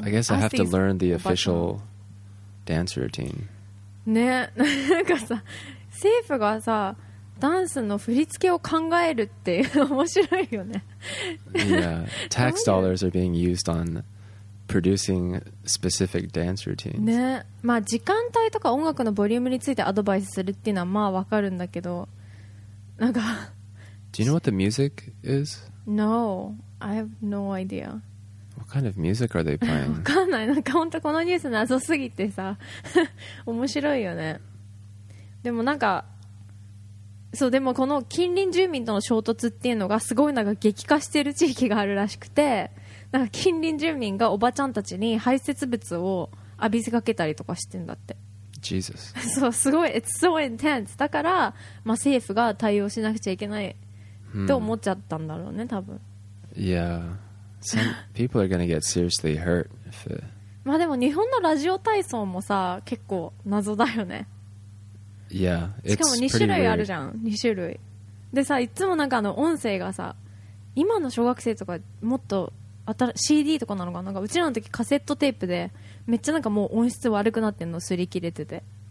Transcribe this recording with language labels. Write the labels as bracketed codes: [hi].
[en] I guess I have to learn the officialDance routine. [ja] ね、なんかさ、政府がさ、ダンスの振り付けを考えるって面白いよね。 [en] Yeah, tax dollars are being used on producing specific dance routines. [ja] ね、まあ時間帯とか音楽のボリュームについてアドバイスするっていうのはまあわかるんだけど、なんか。 [en] Do you know what the music is? No, I have no idea. What kind of music are they playing? [ja] わかんない。なんか本当このニュース謎すぎてさ面白いよね。でもなんかそう、でもこの近隣住民との衝突っていうのがすごいなんか激化してる地域があるらしくて、なんか近隣住民がおばちゃんたちに排泄物を浴びせかけたりとかしてんだって。 [en] Jesus. [ja] そうすごい、 [en] It's so intense. [ja] だから、まあ、政府が対応しなくちゃいけないと思っちゃったんだろうね、多分。 [en] Yeah. Some people are gonna get seriously hurt if it... [ja] まあでも日本のラジオ体操もさ結構謎だよね。 [en] Yeah, it's pretty weird. [ja] しかも2種類あるじゃん、2種類でさ、いつもなんかあの音声がさ、今の小学生とかもっと CD とかなのか、なんかうちらの時カセットテープでめっちゃなんかもう音質悪くなってんの、擦り切れてて、